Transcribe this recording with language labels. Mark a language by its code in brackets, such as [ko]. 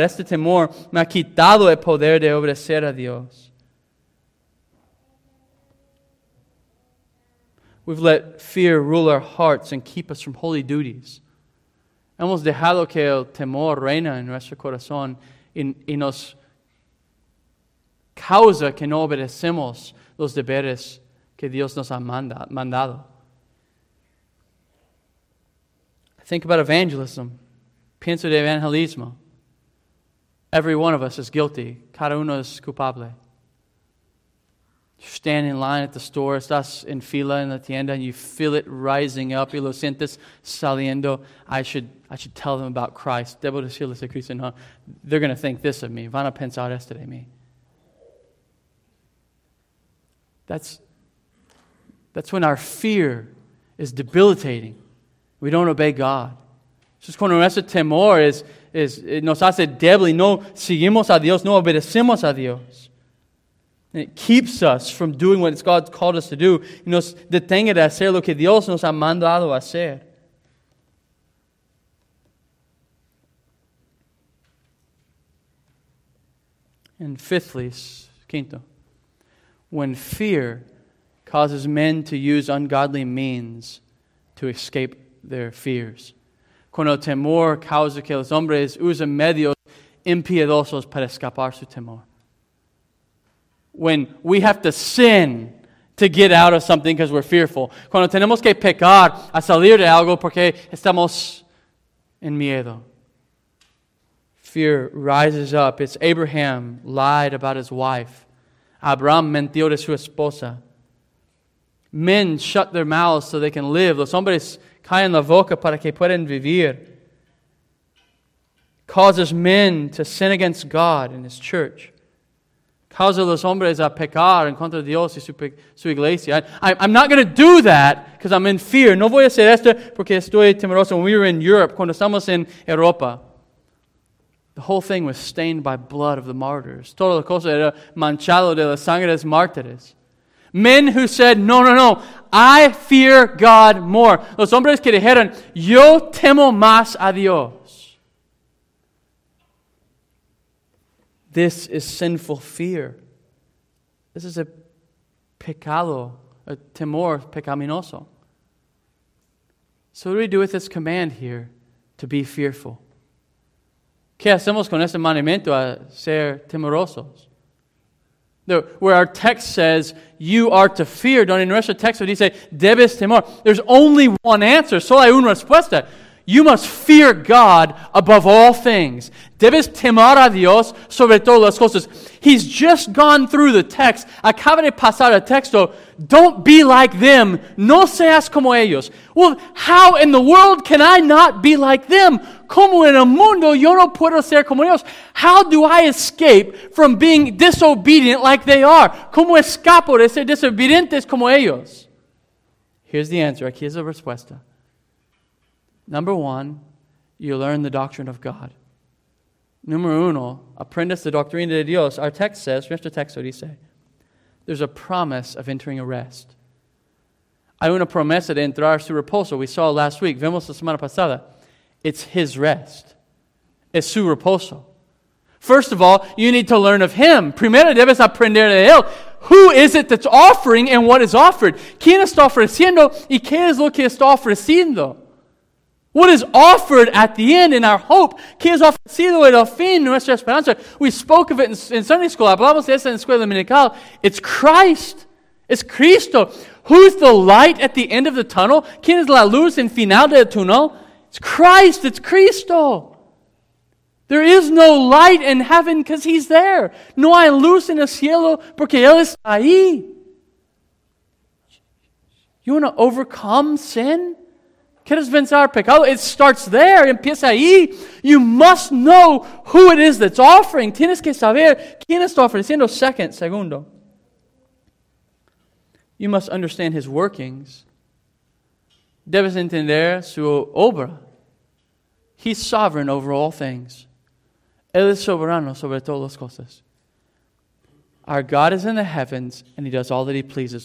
[es] Este temor me ha quitado el poder de obedecer a Dios. [en] We've let fear rule our hearts and keep us from holy duties. [es] Hemos dejado que el temor reina en nuestro corazón y nos causa que no obedecemos los deberes que Dios nos ha mandado. [en] Think about evangelism. [es] Pienso de evangelismo. [en] Every one of us is guilty. [es] Cada uno es culpable. [en] Stand in line at the store. [es] Estás en fila en la tienda [en] and you feel it rising up. [es] Y lo sientes saliendo. [en] I should tell them about Christ. [es] Debo decirles a Cristo. [en] No, they're going to think this of me. [es] Van a pensar esto de mí. [en] That's when our fear is debilitating. We don't obey God. [es] Eso es cuando nuestro temor es nos hace débil y no seguimos a Dios, no obedecemos a Dios. [en] And it keeps us from doing what God's called us to do. [es] Y nos detenga de hacer lo que Dios nos ha mandado a hacer. [en] And fifthly, [es] quinto, [en] when fear causes men to use ungodly means to escape their fears. [es] Cuando el temor causa que los hombres usen medios impiedosos para escapar su temor. [en] When we have to sin to get out of something because we're fearful. [es] Cuando tenemos que pecar a salir de algo porque estamos en miedo. [en] Fear rises up. It's Abraham lied about his wife. [es] Abraham mentió de su esposa. [en] Men shut their mouths so they can live. [es] Los hombres caen la boca para que puedan vivir. [en] Causes men to sin against God and His church. [es] Causa los hombres a pecar en contra de Dios y su iglesia. [en] I'm not going to do that because I'm in fear. [es] No voy a hacer esto porque estoy temeroso. [en] When we were in Europe, [es] cuando estamos en Europa, [en] the whole thing was stained by blood of the martyrs. [es] Todo lo cosa era manchado de la sangre de los mártires. [en] Men who said, no, no, no, I fear God more. [es] Los hombres que dijeron, yo temo más a Dios. [en] This is sinful fear. This is a [es] pecado, a temor pecaminoso. [en] So what do we do with this command here to be fearful? [es] ¿Qué hacemos con este mandamiento a ser temerosos? [en] Where our text says, you are to fear. Don't in [es] nuestro texto dice, debes temor. [en] There's only one answer. [es] Solo hay una respuesta. [en] You must fear God above all things. [es] Debes temor a Dios sobre todas las cosas. [en] He's just gone through the text. [es] Acaba de pasar el texto. [en] Don't be like them. [es] No seas como ellos. [en] Well, how in the world can I not be like them? [es] Como en el mundo yo no puedo ser como ellos. [en] How do I escape from being disobedient like they are? [es] Como escapo de ser desobedientes como ellos? [en] Here's the answer. [es] Aquí es la respuesta. [en] Number one, you learn the doctrine of God. [es] Número uno, aprendes la doctrina de Dios. [en] Our text says, [es] nuestro texto dice, [en] there's a promise of entering a rest. [es] Hay una promesa de entrar su reposo. [en] We saw last week. [es] Vemos la semana pasada. [en] It's His rest. [es] Es su reposo. [en] First of all, you need to learn of Him. [es] Primero debes aprender de Él. [en] Who is it that's offering and what is offered? [es] ¿Quién está ofreciendo y qué es lo que está ofreciendo? [en] What is offered at the end in our hope? [es] ¿Qué es ofrecido en el fin de nuestra esperanza? [en] We spoke of it in Sunday school. [es] Hablamos de eso en escuela dominical. [en] It's Christ. It's Cristo. Who's the light at the end of the tunnel? [es] ¿Quién es la luz en final del túnel? [en] It's Christ. It's Cristo. There is no light in heaven because He's there. [es] No hay luz en el cielo porque Él está ahí. [en] You want to overcome sin? [es] ¿Quieres vencer pecado? [en] It starts there. [es] Empieza ahí. [en] You must know who it is that's offering. [es] Tienes que saber quién está ofreciendo. Segundo. [en] You must understand His workings. [es] Debes entender su obra. [en] He's sovereign over all things. [es] Él es soberano sobre todas las cosas. [en] Our God is in the heavens, and He does all that He pleases.